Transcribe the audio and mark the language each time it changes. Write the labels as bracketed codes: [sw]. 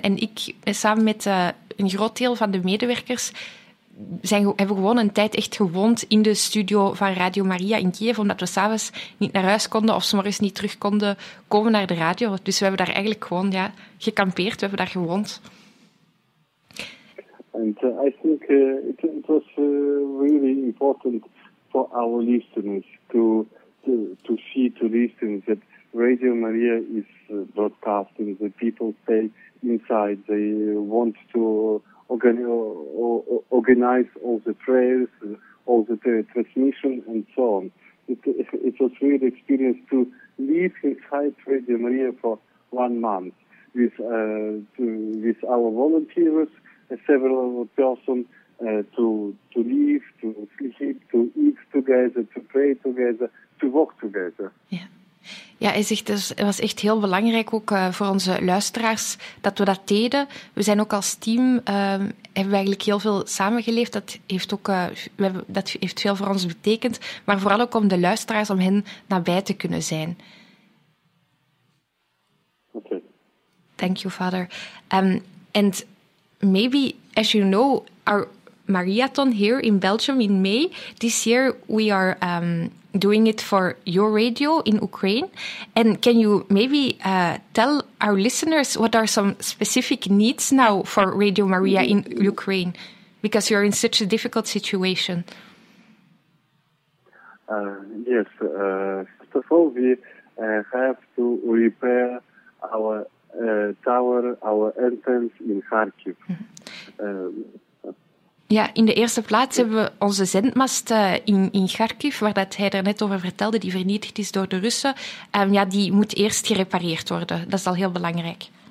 [nl] En ik, samen met een groot deel van de medewerkers, hebben gewoon een tijd echt gewoond in de studio van Radio Maria in Kyiv, omdat we s'avonds niet naar huis konden of s'morgens niet terug konden komen naar de radio. Dus we hebben daar eigenlijk gewoon gekampeerd, we hebben daar gewoond. [en] And I think it was really important for our listeners to see, to listen, that Radio Maria is broadcasting, the people stay inside, they want to organize all the prayers, all the transmission and so on. It was a weird experience to leave inside Radio Maria for 1 month with our volunteers, several persons, to live, to sleep, to eat together, to pray together, to walk together. [nl] Ja, hij zegt, dus, het was echt heel belangrijk ook voor onze luisteraars dat we dat deden. We zijn ook als team, hebben we eigenlijk heel veel samengeleefd. Dat heeft ook dat heeft veel voor ons betekend. Maar vooral ook om de luisteraars, om hen nabij te kunnen zijn. Oké. [en] Thank you, Father. And maybe, as you know, our Mariathon here in Belgium in May, this year we are... doing it for your radio in Ukraine. And can you maybe tell our listeners what are some specific needs now for Radio Maria in Ukraine? Because you're in such a difficult situation. Yes. First of all, we have to repair our tower, our entrance in Kharkiv. Mm-hmm. [nl] Ja, in de eerste plaats hebben we onze zendmast in Kharkiv, waar dat hij er net over vertelde, die vernietigd is door de Russen. Ja, die moet eerst gerepareerd worden. Dat is al heel belangrijk.